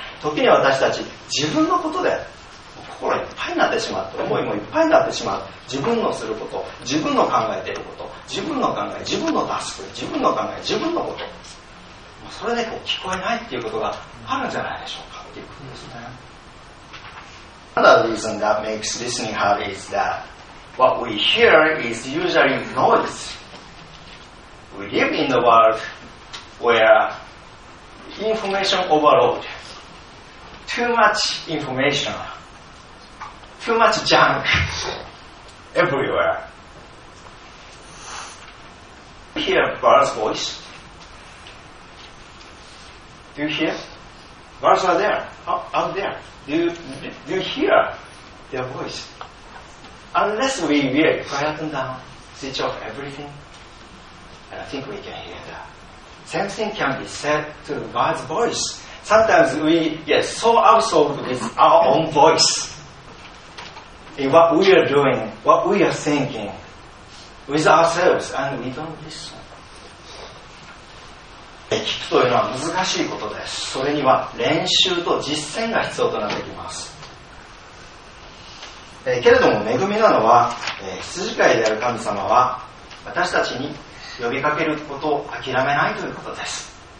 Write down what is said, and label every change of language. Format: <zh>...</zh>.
<ja>時に私たち、自分のことで、心いっぱいになってしまって、思いもいっぱいになってしまう。自分のすること、自分の考えていること、自分の考え、自分のタスク、自分の考え、自分のこと、それでこう聞こえないっていうことがあるんじゃないでしょうかっていうことですね。</ja> <en>Another reason that makes listening hard is that what we hear is usually noise. We live in the world where information overload, too much information. Too much junk everywhere. Do you hear God's voice? Do you hear? God's are there, out there. Do you hear their voice? Unless we really quieten down, switch off everything, I think we can hear the Same thing can be said to God's voice. Sometimes we get so absorbed with our own voice in what we are doing, what we are thinking with ourselves, and we don't listen.</en> <ja>聞くというのは難しいことです。それには練習と実践が必要となってきます。けれども恵みなのは、羊飼いである神様は私たちに呼びかけることを諦めないということです。</ja>